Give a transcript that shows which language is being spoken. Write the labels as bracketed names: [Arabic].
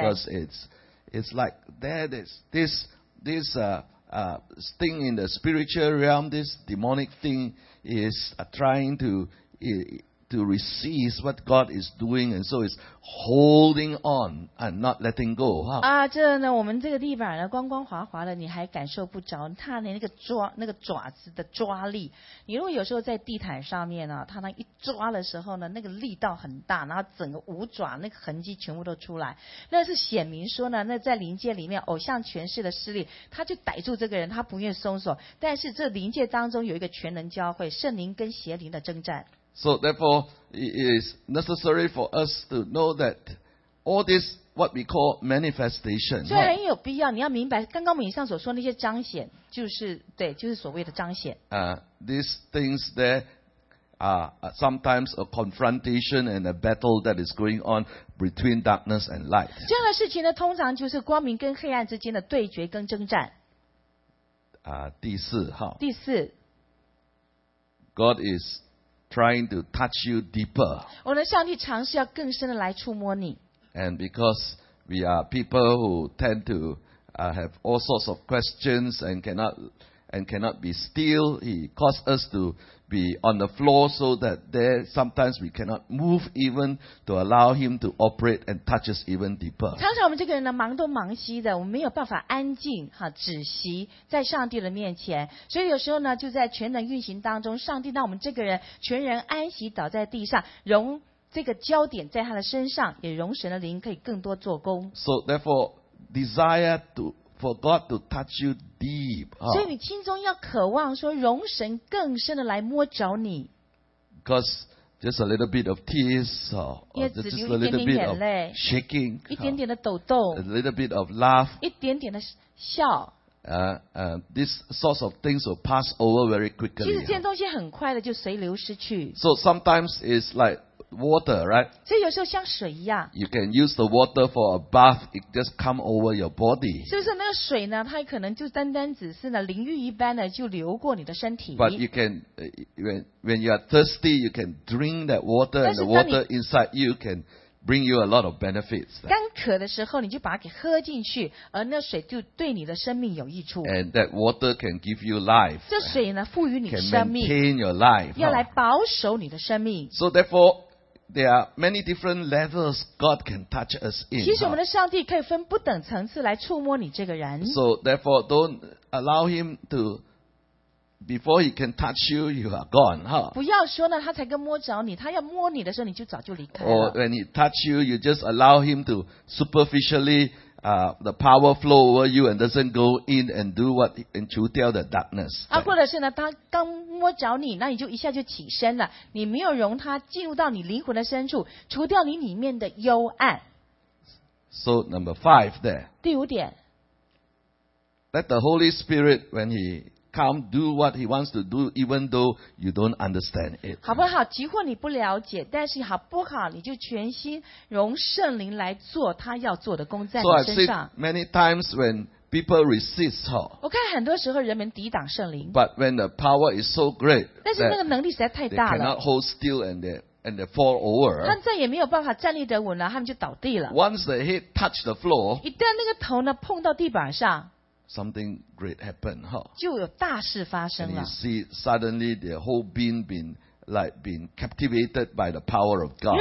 [English] ，because it's like that is this thing in the spiritual realm, this demonic thing is trying to resist what God is doing, and so it's holding on and not letting go. 哈、 [Chinese] 啊，这呢，我们这个地板呢，光光滑滑的，你还感受不着它的那个爪子的抓力。你如果有时候在地毯上面呢、啊，它那一抓的时候呢，那个力道很大，然后整个五爪那个痕迹全部都出来，那是显明说呢，那在灵界里面，偶像权势的势力，他就逮住这个人，他不愿松手。但是这灵界当中有一个全能教会，圣灵跟邪灵的征战。 [English] So therefore, it is necessary for us to know that all this, what we call manifestation. [Chinese] 所以很有必要，你要明白刚刚我们以上所说的那些彰显，就是对，就是所谓的彰显。 [English] These things there are sometimes a confrontation and a battle that is going on between darkness and light. [Chinese] 这样的事情呢，通常就是光明跟黑暗之间的对决跟征战。第四号。第四。 [English] God is. Trying to touch you deeper. [Chinese] 我的上帝尝试要更深的来触摸你。 [English] And because we are people who tend to have all sorts of questions and cannot be still, He caused us to be on the floor so that there sometimes we cannot move even to allow Him to operate and touch us even deeper. [Chinese] 常常我们这个人呢忙东忙西的，我们没有办法安静哈止息在上帝的面前，所以有时候呢就在全能运行当中，上帝让我们这个人全人安息倒在地上，容这个焦点在他的身上，也容神的灵可以更多做工。 [English] So therefore, desire to. For God to touch you deep, [Chinese] 所以你心中要渴望说，容神更深的来摸着你。 [English] Because just a little bit of tears, or just a little bit of shaking, [Chinese] 一点点的抖动 [English] ，a little bit of laugh, [Chinese] 一点点的笑。 [English] This sorts of things will pass over very quickly. [Chinese] 其实这些东西很快的就随流失去。 [English] So sometimes it's like. Water, right? [Chinese] 所以有时候像水一样。 [English] You can use the water for a bath. It just come over your body. [Chinese] 是不是那个水呢？它可能就单单只是呢淋浴一般的就流过你的身体。 [English] But you can when you are thirsty, you can drink that water, and the water inside you can bring you a lot of benefits. [Chinese] 干渴的时候，你就把它给喝进去，而那水就对你的生命有益处。 [English] And that water can give you life. [Chinese] 这水呢，赋予你生命。 [English] Can maintain your life. [Chinese] 要来保守你的生命。 [English] So therefore. There are many different levels God can touch us in. [Chinese] 其实我们的上帝可以分不等层次来触摸你这个人。 [English] So therefore, don't allow him to. Before he can touch you, you are gone, huh? [Chinese] 不要说呢，他才跟摸着你，他要摸你的时候，你就早就离开了。 [English] Or when he touch you, you just allow him to superficially. The power flow over you and doesn't go in and do what and chew tail the darkness. [Chinese] 啊，或者是呢，他刚摸着你，那你就一下就起身了，你没有容他进入到你灵魂的深处，除掉你里面的幽暗。 [English] So number five there. [Chinese] 第五点。 [English] Let the Holy Spirit when He come do what He wants to do, even though you don't understand it. [Chinese] 好不好？即或你不了解，但是好不好？你就全心容圣灵来做他要做的工在你身上。 [English] So I've seen many times when people resist, [Chinese] 我看很多时候人们抵挡圣灵。 [English] But when the power is so great, [Chinese] 但是那个能力实在太大了。 [English] They cannot hold still and they fall over. [Chinese] 他再也没有办法站立得稳了，他们就倒地了。 [English] Once the head touched the floor, [Chinese] 一旦那个头呢碰到地板上。 [English] Something great happened, huh? [Chinese] 就有大事发生了。 [English] And you see, suddenly the whole being been captivated by the power of God.